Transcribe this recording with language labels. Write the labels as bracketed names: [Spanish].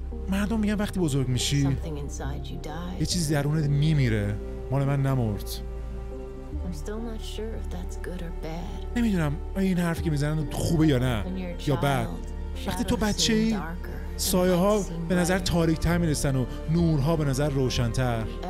[Persian] مردم میگن وقتی بزرگ میشی یه چیزی درونت میمیره. مال من نمرد. [English] I'm still not sure if that's good or bad. [Persian] نمیدونم این حرفی که میزنن خوبه یا نه یا بد. وقتی تو بچه‌ای سایه ها به نظر تاریک‌تر میرسن و نورها به نظر روشن‌تر.